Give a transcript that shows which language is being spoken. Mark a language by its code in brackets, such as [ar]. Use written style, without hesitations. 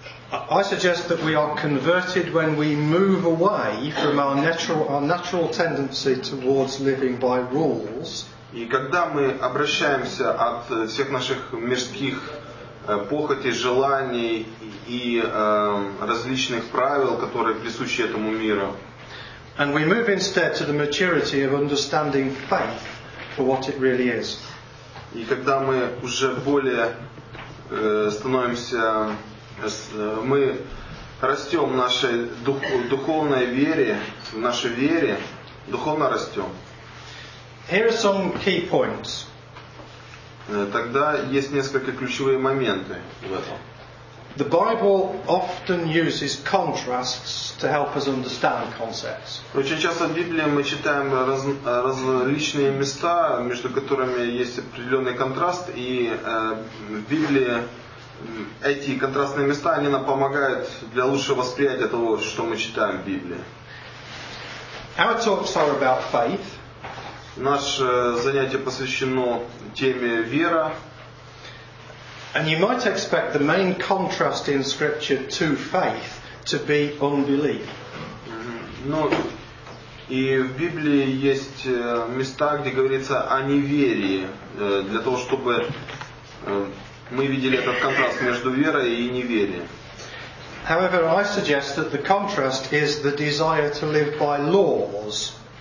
[en] I suggest that we are converted when we move away from our natural tendency towards living by rules. [ru] И когда мы обращаемся от всех наших мирских похотей, желаний и различных правил, которые присущи этому миру. [en] And we move instead to the maturity of understanding faith for what it really is. [ru] И когда мы уже более становимся, мы растем в нашей духовной вере, в нашей вере, духовно растем. [en] Here are some key points. [ru] Тогда есть несколько ключевые моменты в этом. [en] The Bible often uses contrasts to help us understand concepts. [ru] Очень часто в Библии мы читаем различные места, между которыми есть определенный контраст, и в Библии эти контрастные места, они нам помогают для лучшего восприятия того, что мы читаем в Библии. [en] Our talks are about faith. [ru] Наше занятие посвящено теме вера. [en] And you might expect the main contrast in Scripture to faith to be unbelief. [ru] Но и в Библии есть места, где говорится о неверии, для того, чтобы мы видели этот контраст между верой и неверием. [en] However, I suggest that the contrast is the desire to live by laws.